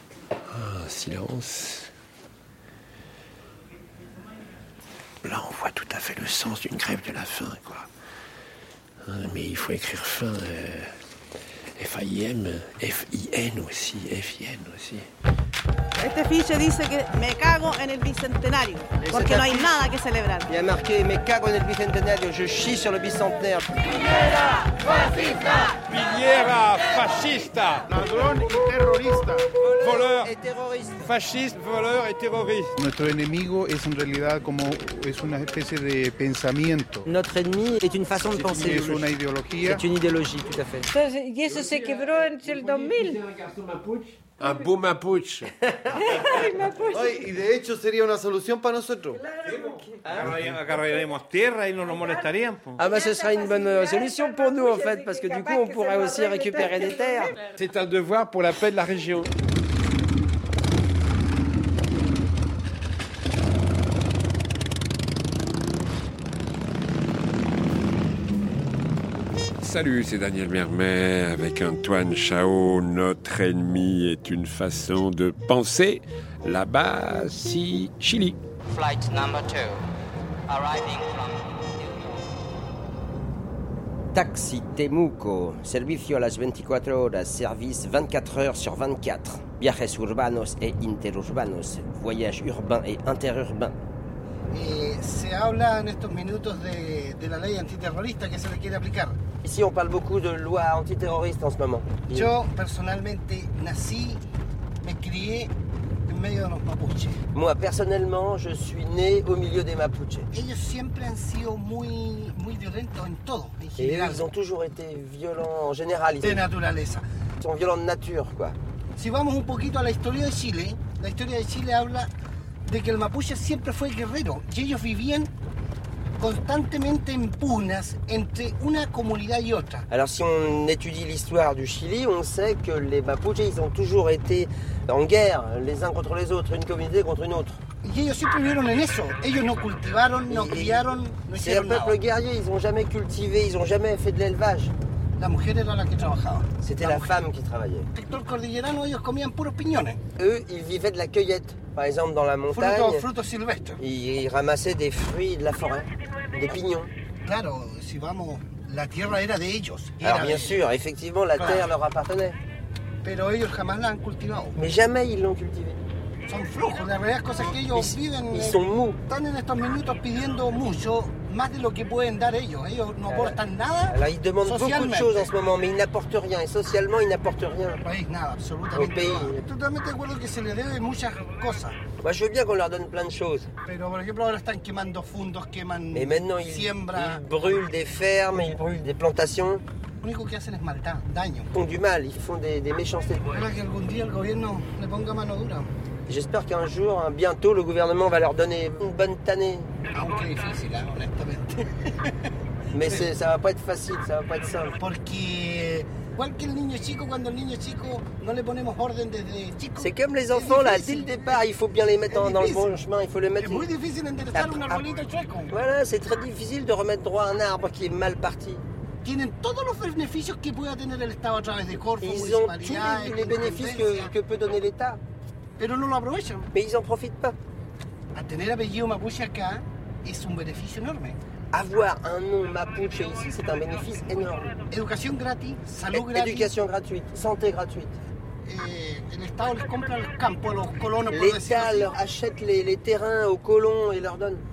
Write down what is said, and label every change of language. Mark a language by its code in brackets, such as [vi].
[fr] Ah, silence. Là, on voit tout à fait le sens d'une grève de la faim, quoi. Mais il faut écrire faim, F-A-I-M, F-I-N aussi, F-I-N aussi. [es] Este fiche dice que me cago en el bicentenario, porque no hay nada que celebrar. [fr] Il y a marqué [es] me cago en el bicentenario, [fr] je chie sur le bicentenaire. [es] Piñera, fascista! Piñera, fascista! Ladrón y terrorista. [fr] Voleur et terroriste. Fasciste, voleur et terroriste. Notre [es] enemigo es en realidad como es una especie de pensamiento. [fr] Notre ennemi est une façon de penser. [es] Es una ideología. [fr] C'est une idéologie, tout à fait. [es] Y eso se quebró en el 2000. [fr] Un beau mapuche. [es] Ay, y de hecho sería una solución para nosotros. Claro. Agarraríamos tierra y no nos molestarían. [fr] Ah, mais ce serait une bonne solution pour nous, en fait, parce que du coup, on pourrait aussi récupérer des terres. C'est un devoir pour la paix de la région. Salut, c'est Daniel Mermet avec Antoine Chao. Notre ennemi est une façon de penser. Là-bas, si Chili. [en] Flight number 2, arriving from New York. [es] Taxi Temuco, servicio a las 24 horas, [fr] service 24 heures sur 24. [es] Viajes urbanos e interurbanos, [fr] voyages urbains et interurbains. [es] Se habla en estos minutos de la ley antiterrorista que se le quiere aplicar. [fr] Ici, on parle beaucoup de loi antiterroriste en ce moment. [es] Yo personalmente nací, me crié en medio de los mapuches. [fr] Moi personnellement, je suis né au milieu des mapuches. [es] Ellos siempre han sido muy muy violentos en todo, en general. [fr] Ils ont toujours été violents en général. [es] De naturaleza. [fr] Ils sont violents de nature, quoi. [es] Si vamos un poquito a la historia de Chile habla de que el mapuche siempre fue guerrero y ellos vivían constantemente en pugnas entre una comunidad y otra. [fr] Alors si on étudie l'histoire du Chili, on sait que les mapuches ils ont toujours été en guerre les uns contre les autres, une communauté contre une autre. [es] Y ellos siempre vivieron en eso. Ellos no cultivaron, no criaron, no hicieron nada. [fr] C'est un peuple guerrier, ils ont jamais cultivé, ils ont jamais fait de l'élevage. [es] La mujer era la que trabajaba. [fr] C'était la femme qui travaillait. [es] Sector cordillerano, ellos comían puros piñones. [fr] Eux, ils vivaient de la cueillette. Par exemple, dans la montagne, [es] fruto silvestre. [fr] Ils ramassaient des fruits de la forêt, des pignons. [es] Claro, si vamos, la tierra era de ellos. [fr] Alors bien sûr, effectivement, la terre leur appartenait. [es] Pero ellos jamás la han cultivado. [fr] Mais jamais ils l'ont cultivée. [es] Son flojos, la verdad es cosas que ellos viven. [fr] Ils sont mous. [es] Están en estos minutos pidiendo mucho, más de lo que pueden dar ellos. Ellos no aportan nada. [fr] Alors, ils demandent beaucoup de choses en ce moment, mais ils n'apportent rien. Et socialement, ils n'apportent rien. Au pays, [es] nada, absolutamente. De acuerdo que se les debe muchas cosas. [fr] Moi, je veux bien qu'on leur donne plein de choses. [es] Pero, por ejemplo, ahora están quemando fundos, queman. [fr] Mais maintenant, ils brûlent des fermes, ils brûlent des plantations. [es] Lo único que hacen es maltar, daño. [fr] Ils font du mal, ils font des méchancetés. [es] Espero que algún día el gobierno le ponga mano dura. [fr] J'espère qu'un jour, bientôt, le gouvernement va leur donner une bonne tannée. [es] Aunque difícil, honestamente. [fr] Mais c'est, ça va pas être facile, ça va pas être simple. [es] Porque igual que el niño chico, cuando el niño chico no le ponemos orden desde chico. [fr] C'est comme les enfants, là, dès le départ, il faut bien les mettre dans le bon chemin, il faut les mettre. [es] Es muy difícil enderezar un arbolito chueco. [fr] Voilà, c'est très difficile de remettre droit un arbre qui est mal parti. [es] Tienen todos los beneficios que pueda tener el Estado a través de Corfo, municipalidad. [fr] Ils ont tous les bénéfices que peut donner l'État. [es] Pero no lo aprovechan. [fr] Mais ils en profitent pas. [es] A tener apellido mapuche acá es un beneficio enorme. [fr] Avoir un nom mapuche ici, c'est un bénéfice énorme. [es] Educación gratis, salud gratis. [fr] Éducation gratuite, santé gratuite. [es] El Estado les compra los campos a los colonos. [fr] L'État leur achète les terrains aux colons et leur donne.